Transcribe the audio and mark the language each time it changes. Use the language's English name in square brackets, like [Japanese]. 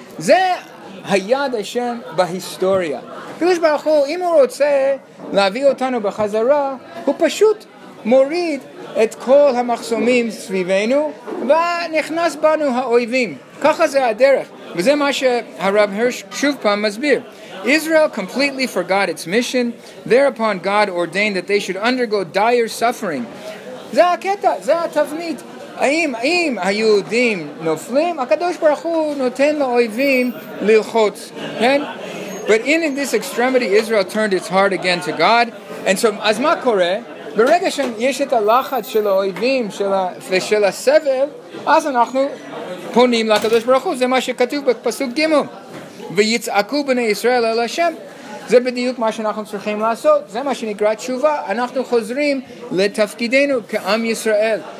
[Hebrew] זה היד השם בהיסטוריה. הקדוש ברוך הוא, אם הוא רוצה להביא אותנו בחזרה, הוא פשוט מוריד את כל המחסומים סביבנו, ונכנס בנו האויבים. ככה זה הדרך. וזה מה שהרב הרש שוב פעם מסביר. [English] Israel completely forgot its mission. Thereupon God ordained that they should undergo dire suffering. [Hebrew] זה הקטע, זה התבנית. האם היהודים נופלים? הקדוש ברוך הוא נותן לאויבים ללחוץ. כן? [English] But in this extremity, Israel turned its heart again to God. And so, [Hebrew] אז מה קורה? ברגע שיש את הלחץ של האויבים ושל הסבל, אז אנחנו פונים לקדוש ברוך הוא. זה מה שכתוב בפסוק ג' ויצעקו בני ישראל אל השם. זה בדיוק מה שאנחנו צריכים לעשות. זה מה שנקרא תשובה. אנחנו חוזרים לתפקידנו כעם ישראל.